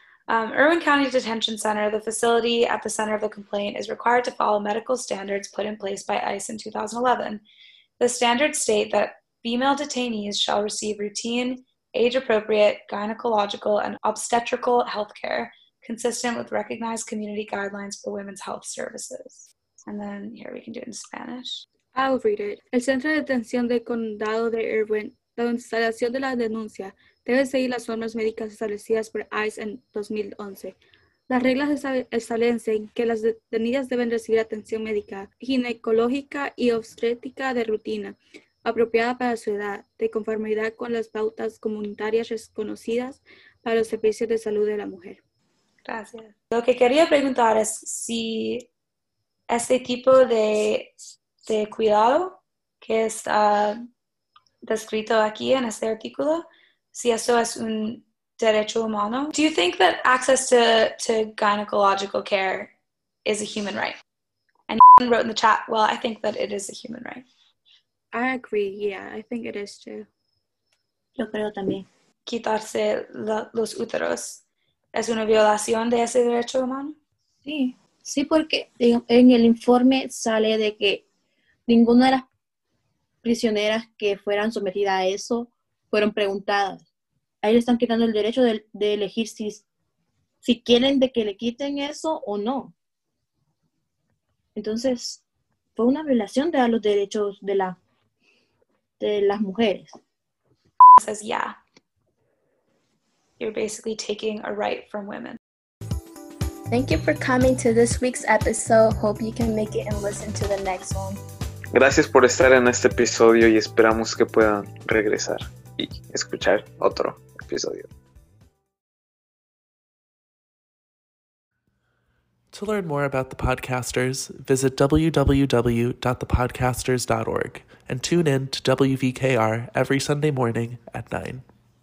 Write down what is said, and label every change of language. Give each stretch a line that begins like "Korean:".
English: Irwin County Detention Center, the facility at the center of the complaint, is required to follow medical standards put in place by ICE in 2011. The standards state that female detainees shall receive routine, age-appropriate, gynecological, and obstetrical health care consistent with recognized community guidelines for women's health services. And then here we can do it in Spanish. I'll read it.
Spanish: El centro de detención del condado de Irwin, la instalación de la denuncia, debe seguir las normas médicas establecidas por ICE en 2011. Las reglas establecen que las detenidas deben recibir atención médica, ginecológica y obstétrica de rutina, apropiada para su edad, de conformidad con las pautas comunitarias reconocidas para los servicios de salud de la mujer. Gracias. Lo que quería preguntar es si este tipo de cuidado que está descrito aquí en este artículo, si eso es un derecho humano.
English: Do you think that access to gynecological care is a human right? And you wrote in the chat, well, I think that it is a human right. I agree, yeah, I think it is too.
Spanish: Yo creo también. Quitarse los úteros. ¿Es una violación de ese derecho humano? Sí, sí, porque en el informe sale de que ninguna de las prisioneras que fueran sometidas a eso fueron preguntadas. Ahí le están quitando el derecho de elegir si quieren de que le quiten eso o no. Entonces, fue una violación de los derechos de las mujeres.
English: Says, yeah. You're basically taking a right from women. Thank you for coming to this week's episode. Hope you can make it and listen to the next one.
Spanish: Gracias por estar en este episodio y esperamos que puedan regresar y escuchar otro episodio.
English: To learn more about the podcasters, visit www.thepodcasters.org and tune in to WVKR every Sunday morning at 9.